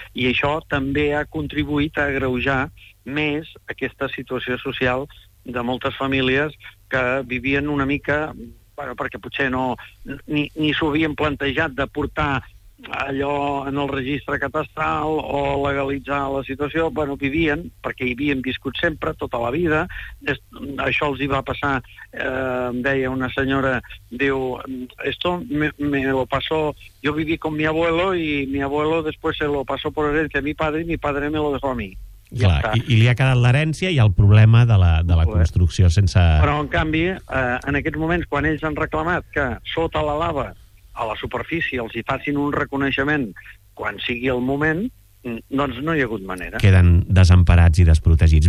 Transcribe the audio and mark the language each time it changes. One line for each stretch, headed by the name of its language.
Catalan: I això també ha contribuït a agreujar més aquesta situació social de moltes famílies que vivien una mica, bueno, perquè potser no, ni s'ho havien plantejat de portar allò en el registre catastral o legalitzar la situació, bueno, vivien, perquè hi havien viscut sempre, tota la vida. Això els hi va passar, deia una senyora, diu,
Spanish: esto me lo pasó, yo viví con mi abuelo y mi abuelo después se lo pasó por herencia a mi padre me lo dejó a mí.
Catalan: Clar, i li ha quedat l'herència i el problema de la construcció sense... Però, en canvi, en aquests moments, quan ells han reclamat que sota la lava, a la superfície, els hi facin un reconeixement quan sigui el moment, doncs no hi ha hagut manera. Queden desemparats i desprotegits.